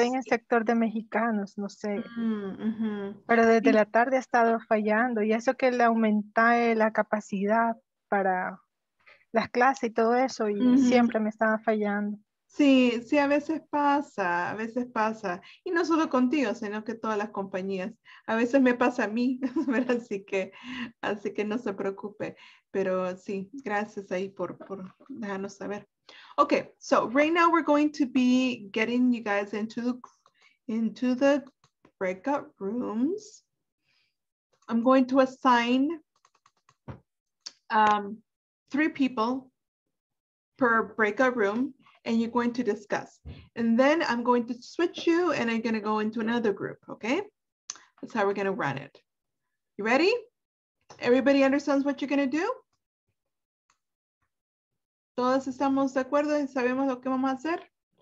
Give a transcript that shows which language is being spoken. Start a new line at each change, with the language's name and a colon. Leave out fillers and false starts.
Spanish: estoy en el sector de mexicanos, no sé. Pero desde la tarde ha estado fallando y eso que le aumenté la capacidad para las clases y todo eso y siempre me estaba fallando. Sí, a veces pasa, y no solo contigo, sino que todas las compañías, a veces me pasa a mí, ¿verdad? Así que no se preocupe, pero sí, gracias ahí por dejarnos saber.
English: Okay, so right now we're going to be getting you guys into the breakout rooms. I'm going to assign three people per breakout room. And you're going to discuss. And then I'm going to switch you and I'm going to go into another group, okay? That's how we're going to run it. You ready? Everybody understands what you're going to do?
Spanish: ¿Todos estamos de acuerdo y sabemos lo que vamos a hacer?